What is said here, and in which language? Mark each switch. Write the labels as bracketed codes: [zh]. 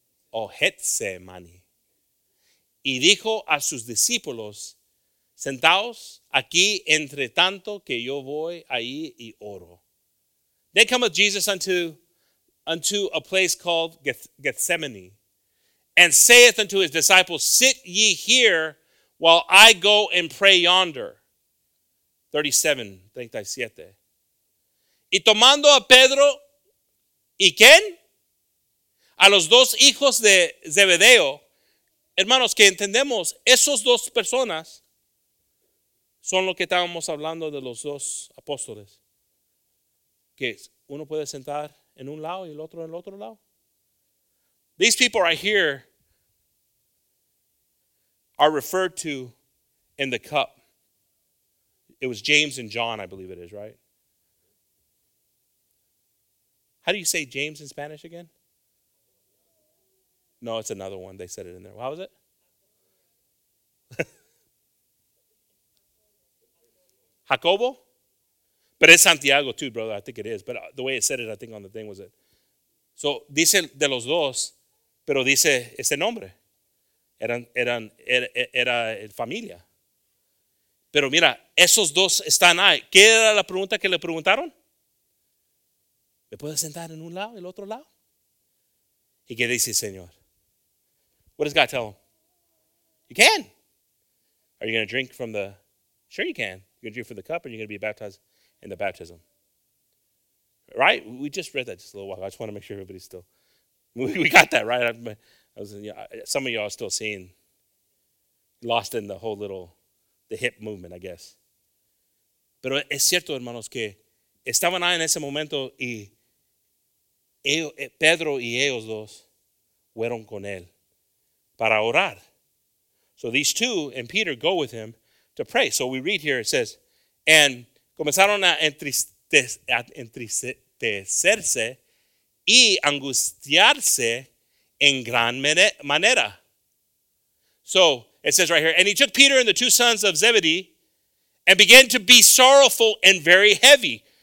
[es] O Getsemaní. Y dijo a sus discípulos, sentaos aquí entre tanto que yo voy ahí y oro. [en] They come with Jesus unto a place called Gethsemane, and saith unto his disciples, sit ye here while I go and pray yonder. [es] 37. Y tomando a Pedro, ¿y quién? A los dos hijos de Zebedeo, hermanos, que entendemos, esos dos personas son lo que estábamos hablando de los dos apóstoles. Que uno puede sentar en un lado y el otro en el otro lado. [en] These people right here are referred to in the cup. It was James and John, I believe it is, right? How do you say James in Spanish again? No, it's another one. They said it in there. What was it? Jacobo? But it's Santiago too, brother. I think it is. But the way it said it, I think on the thing was it. [es] So, dice de los dos, pero dice ese nombre. Era familia. Pero mira, esos dos están ahí. ¿Qué era la pregunta que le preguntaron? ¿Me puedes sentar en un lado, el otro lado? ¿Y qué dice el Señor? [en] What does God tell him? You can. Are you going to drink from the... Sure you can. You're going to drink from the cup and you're going to be baptized in the baptism. Right? We just read that just a little while ago. I just want to make sure everybody's still... We got that, right? Some of y'all are still seeing, lost in the whole little, the hip movement, I guess. [es] Pero es cierto, hermanos, que estaban ahí en ese momento y Pedro y ellos dos fueron con él para orar. [en] So these two and Peter go with him to pray. So we read here, it says, and [es] comenzaron a entristecerse y angustiarse en gran manera. [en] So it says right here, and he took Peter and the two sons of Zebedee and began to be sorrowful and very heavy.